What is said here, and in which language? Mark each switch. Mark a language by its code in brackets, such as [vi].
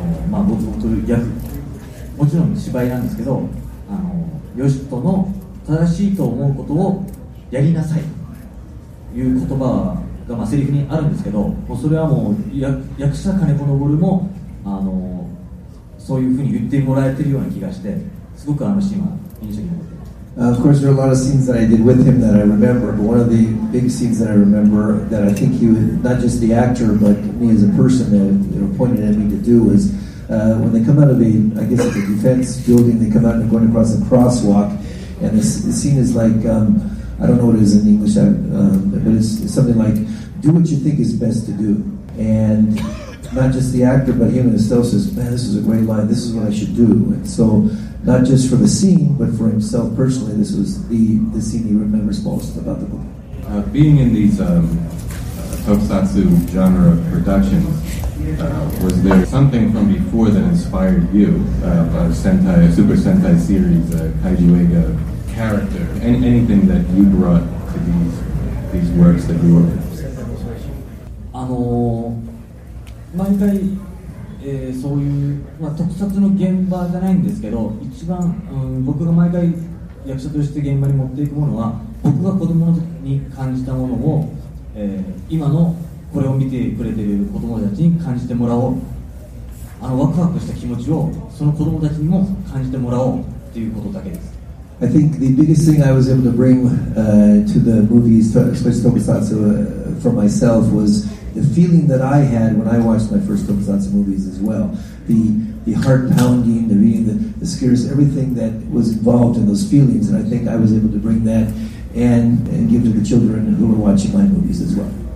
[ja] まあ、僕の撮る役、もちろん芝居なんですけど、ヨシトの正しいと思うことをやりなさいという言葉が、まあ、セリフにあるんですけど、もうそれはもう役者金子昇も、そういうふうに言ってもらえてるような気がして、すごくあのシーンは印象に残っています。 [en] Of course, there are a lot of scenes that I did with him that I remember, but one of the big scenes that I remember that I think he was, not just the actor, but me as a person that pointed at me to do was when they come out of a defense building, they come out and they're going across the crosswalk, and the scene is like, I don't know what it is in English, but it's something like, do what you think is best to do. And not just the actor, but him and himself says, man, this is a great line, this is what I should do. And so, not just for the scene, but for himself personally, this was the scene he remembers most about the book. Being in these tokusatsu genre of productions. Was there something from before that inspired you, about Sentai, Super Sentai series, Kaiju Ega character, anything that you brought to these works that you were? [ja] 毎回、そういう、まあ、特撮の現場じゃないんですけど一番、うん、僕が毎回役者として現場に持っていくものは僕が子供の時に感じたものを、今のこれを見てくれている子供たちに感じてもらおう、あのワクワクした気持ちをその子供たちにも感じてもらおうっていうことだけです。 [en] I think the biggest thing I was able to bring to the movies, especially Tokusatsu, for myself was the feeling that I had when I watched my first Tokusatsu movies as well. The heart pounding, the reading, the scares, everything that was involved in those feelings, and I think I was able to bring that and give to the children who were watching my movies as well.